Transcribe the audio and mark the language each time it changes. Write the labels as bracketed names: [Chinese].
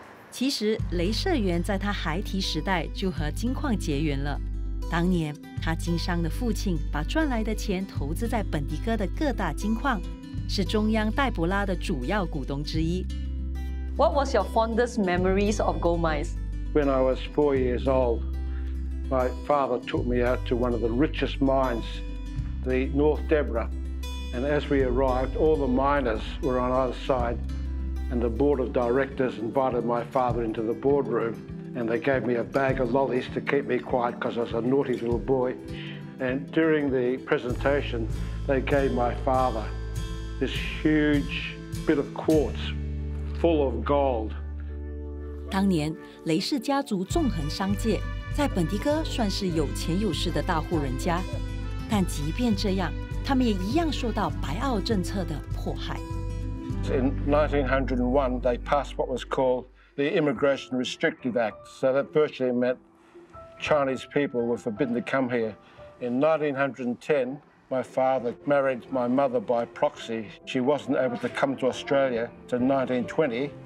[Chinese] 其实雷社员在他孩提时代就和金矿结缘了，当年他经商的父亲把赚来的钱投资在本迪戈的各大金矿，是中央戴博拉的主要股东之一。 [English] What was your fondest memories of gold mines? When I was 4 years old, my father took me out to one of the richest mines, the North Debra. And as we arrived, all the miners were on either side, and the board of directors invited my father into the boardroom, and they gave me a bag of lollies to keep me quiet because I was a naughty little boy. And during the presentation, they gave my father this huge bit of quartz, full of gold. [Chinese] 当年雷氏家族纵横商界，在本迪戈算是有钱有势的大户人家，但即便这样，他们也一样受到白澳政策的迫害。 [English] In 1901, they passed what was called the Immigration Restrictive Act, so that virtually meant Chinese people were forbidden to come here. In 1910, my father married my mother by proxy. She wasn't able to come to Australia till 1920.